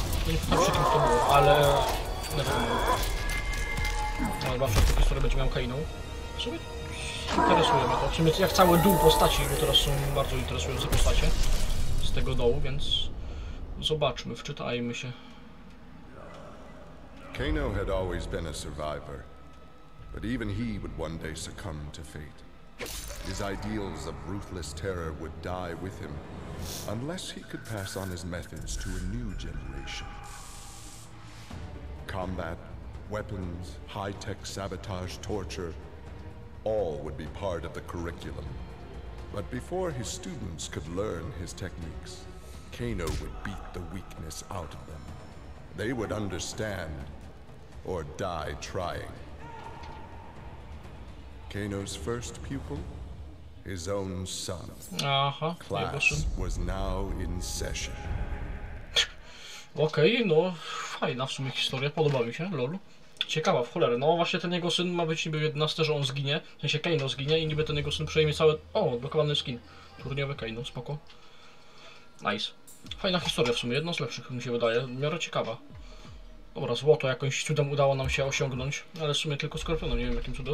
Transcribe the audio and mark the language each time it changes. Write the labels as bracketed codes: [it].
[pl] Nie pytam się, kim to było, ale... Nie wiem. Dobra, wszystko, które będzie miał Kainą. Sobie interesuje mnie to, w sumie jak cały dół postaci, bo teraz są bardzo interesujące postacie z tego dołu, więc zobaczmy, wczytajmy się. [en] Kano had always been a survivor, but even he would one day succumb to fate. His ideals of ruthless terror would die with him, unless he could pass on his methods to a new generation. Combat, weapons, high-tech sabotage, torture, all would be part of the curriculum. But before his students could learn his techniques, Kano would beat the weakness out of them. They would understand or die trying. Kano's first pupil, his own son. Aha, class was now in session. [pl] Okej, no fajna w sumie historia, podoba mi się, lol. Ciekawa, w cholerę. No właśnie ten jego syn ma być niby 11, że on zginie. W sensie Kano zginie i niby ten jego syn przejmie cały... O, odblokowany skin. Turniowy Kano, spoko. Nice. Fajna historia w sumie, jedna z lepszych mi się wydaje, w miarę ciekawa. Dobra, złoto jakąś cudem udało nam się osiągnąć, ale w sumie tylko skorpionem, nie wiem jakim cudem.